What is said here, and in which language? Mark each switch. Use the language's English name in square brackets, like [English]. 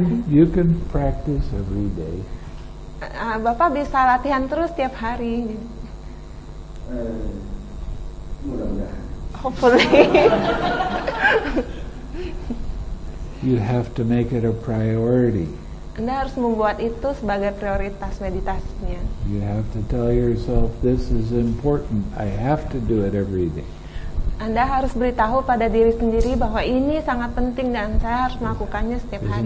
[English] You can practice every day. [Indonesian] Bapak bisa latihan terus setiap hari. Mudah-mudahan. [English] Hopefully. You have to make it a priority. [Indonesian] Anda harus membuat itu sebagai prioritas meditasinya. [English] You have to tell yourself this is important. I have to do it every day. [Indonesian] Anda harus beritahu pada diri sendiri bahwa ini sangat penting dan saya harus melakukannya setiap hari.